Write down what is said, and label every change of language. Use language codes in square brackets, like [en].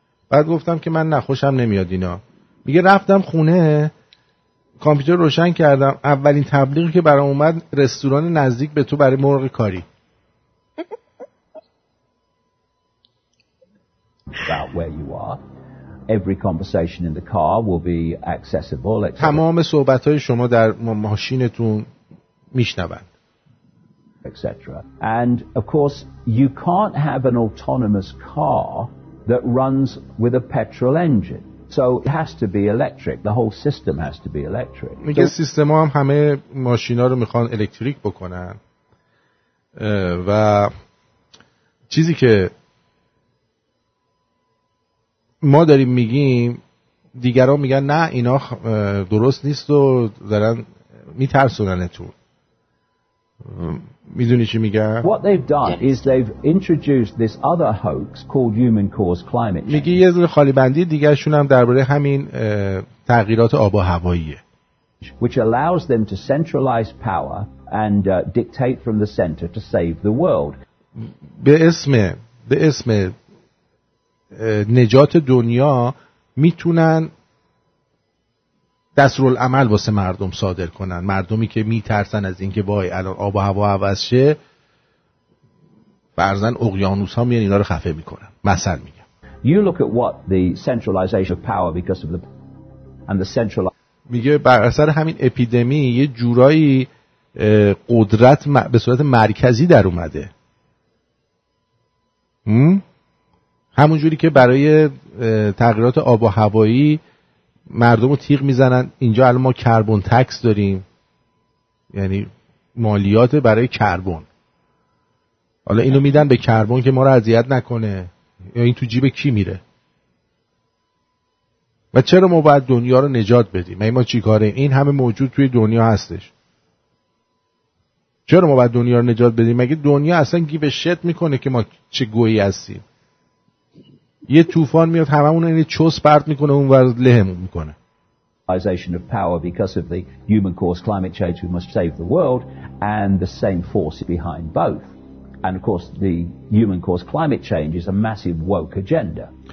[fa] بعد گفتم که من نخوشم نمیاد اینا. میگه رفتم خونه کامپیوتر روشن کردم، اولین تبلیغی که برام اومد رستوران نزدیک به تو برای مرغ کاری. [en] About where you are. Every conversation in the car will be accessible. [fa] تمام صحبت‌های شما در ماشینتون میشنوند. [en] Etc. And of course you can't have an autonomous car that runs with a petrol engine. So it has to be electric. The whole system has to be electric. [fa] میگه سیستم‌ها هم همه ماشینا رو میخوان الکتریک بکنن. و چیزی که ما داریم میگیم، دیگران میگن نه اینا درست نیست و دارن میترسوننتون. میدونی چی میگه؟ [en] What they've done is they've introduced this other hoax called human caused climate change. [fa] میگه یه ذره خالی بندی دیگه شون هم درباره همین تغییرات آب و هواییه. [en] Which allows them to centralize power and dictate from the center to save the world. [fa] به اسم نجات دنیا میتونن دستورالعمل واسه مردم صادر کنن، مردمی که میترسن از اینکه وای الان آب و هوا عوض شه فرضاً اقیانوس ها میان اینا رو خفه میکنن. مثلا میگم [en] you look at what the centralization of power because of the and the central [fa] میگه بر اثر همین اپیدمی یه جورایی قدرت به صورت مرکزی در اومده. همون جوری که برای تغییرات آب و هوایی مردم رو تیغ میزنن، اینجا الان ما کربن تکس داریم، یعنی مالیات برای کربن. حالا اینو میدن به کربن که ما رو اذیت نکنه، یا این تو جیب کی میره؟ و چرا ما باید دنیا رو نجات بدیم؟ ما چی کاره ایم؟ این همه موجود توی دنیا هستش، چرا ما باید دنیا رو نجات بدیم؟ مگه دنیا اصلا [en] give shit [fa] میکنه که ما چه گویی هستیم؟ یه طوفان میاد هممون اینه چوس برد میکنه اون ور لهمون میکنه. [en] Centralization of power because of the human caused climate change we must save the world and the same force behind both. And of course the human caused climate change is a massive woke agenda.